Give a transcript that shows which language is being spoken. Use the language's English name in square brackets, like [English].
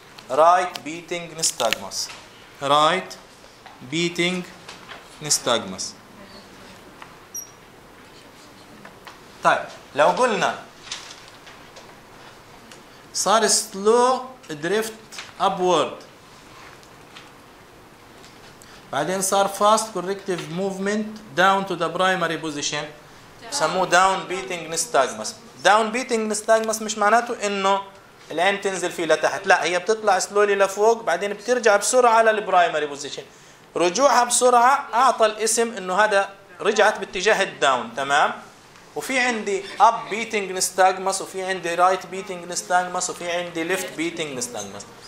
[English] right beating nystagmus. Right beating nystagmus. [Arabic] طيب لو قلنا صار [English] slow drift upward. [Arabic] بعدين صار [English] fast corrective movement down to the primary position. [Arabic] بسموه [English] down beating nystagmus. Down beating nystagmus [Arabic] مش معناته انه العين تنزل فيه لتحت، لا هي بتطلع سلولي لفوق بعدين بترجع بسرعه للبرايمري بوزيشن. رجوعها بسرعه اعطى الاسم انه هذا رجعت باتجاه الداون، تمام؟ وفي عندي اب بيتنج نستاجمس، وفي عندي رايت بيتنج نستاجمس، وفي عندي ليفت بيتنج نستاجمس.